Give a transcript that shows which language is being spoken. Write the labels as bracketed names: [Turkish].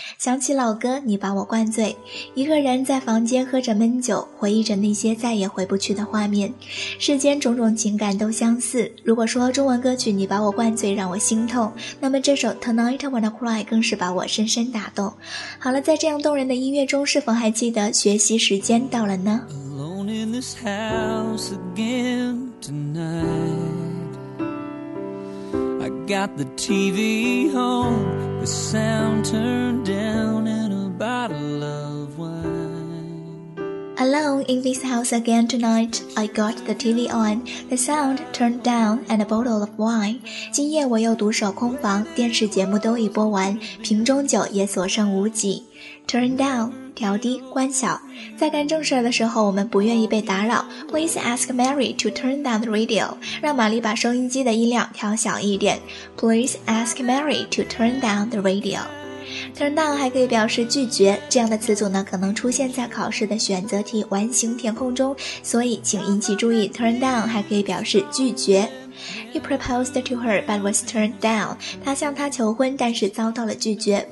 [Chinese] 想起老歌你把我灌醉，一个人在房间喝着闷酒，回忆着那些再也回不去的画面。世间种种情感都相似，如果说中文歌曲你把我灌醉让我心痛，那么这首 Tonight I wanna cry 更是把我深深打动。好了，在这样动人的音乐中，是否还记得学习时间到了呢？ [English] In this house again tonight, I got the TV on, the sound turned down, and a bottle of wine. Alone in this house again tonight, I got the TV on, the sound turned down, and a bottle of wine. [Chinese] 今夜我又独守空房，电视节目都已播完，瓶中酒也所剩无几。 [English] Turn down. [Chinese] 调低关小，在干正事的时候我们不愿意被打扰。 [English] Please ask Mary to turn down the radio. [Chinese] 让玛丽把收音机的音量调小一点。 [English] Please ask Mary to turn down the radio. [Chinese] Turn down 还可以表示拒绝，这样的词组呢可能出现在考试的选择题完形填空中，所以请引起注意。 Turn down 还可以表示拒绝。 [English] He proposed to her, but was turned down. [Chinese] 他向她求婚，但是遭到了拒绝。